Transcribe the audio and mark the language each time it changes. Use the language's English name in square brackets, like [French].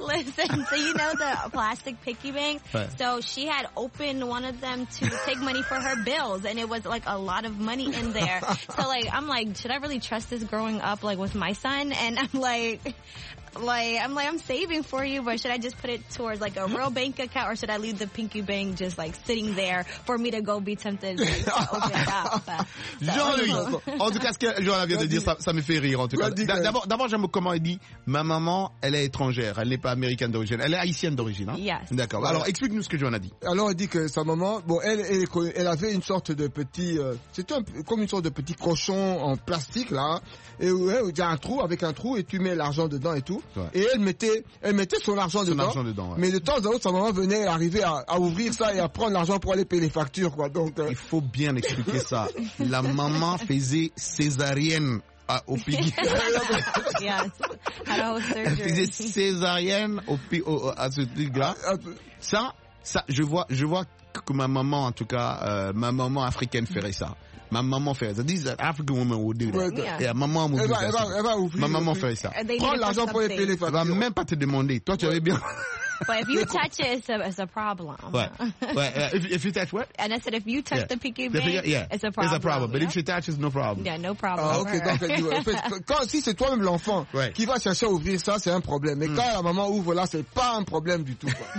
[English] Listen, so you know the plastic piggy bank. So she had opened one of them to take money for her bills, and it was like a lot of money in there. So like I'm like, should I really trust this growing up like with my son? And I'm like. Like, I'm saving for you, but should I just put it towards, like, a real bank account, or should I leave the pinky bank just, like, sitting there for me to go be tempted to open it up? [French] Jean-Louis, en tout cas, ce que Johanna vient de dire, ça me fait rire, en tout cas. D'abord, j'aime comment elle dit, ma maman, elle est étrangère, elle n'est pas américaine d'origine, elle est haïtienne d'origine, hein? [English] Yes. [French] D'accord. Ouais. Alors, explique-nous ce que Johanna dit. Alors, elle dit que sa maman, bon, elle avait une sorte de petit, comme une sorte de petit cochon en plastique, là, et où il y a un trou, avec un trou, et tu mets l'argent dedans et tout. Ouais. Et elle mettait son argent dedans ouais. Mais de temps en temps, sa maman venait arriver à ouvrir ça et à prendre l'argent pour aller payer les factures, quoi. Donc, il faut bien expliquer ça. La maman faisait césarienne au piggy. [English] Yes. Elle [French] faisait césarienne à ce truc-là. Ça, je vois que ma maman, en tout cas, ma maman africaine ferait ça. Ma maman fait ça. [English] This is an African woman would do that. Yeah. Yeah, maman would do that. [French] Ma maman fait ça. Prends l'argent pour les payer les factures. Elle va même pas te demander. Toi, tu avais bien. [English] But if you touch it, it's a problem. What? If you touch what? And I said, if you touch the piggy bank, it's a problem. It's a problem. But if you touch, it's no problem. Yeah, no problem. Ah, okay. [French] Donc, si c'est toi-même l'enfant qui va chercher à ouvrir ça, c'est un problème. Mais quand la maman ouvre là, c'est pas un problème du tout.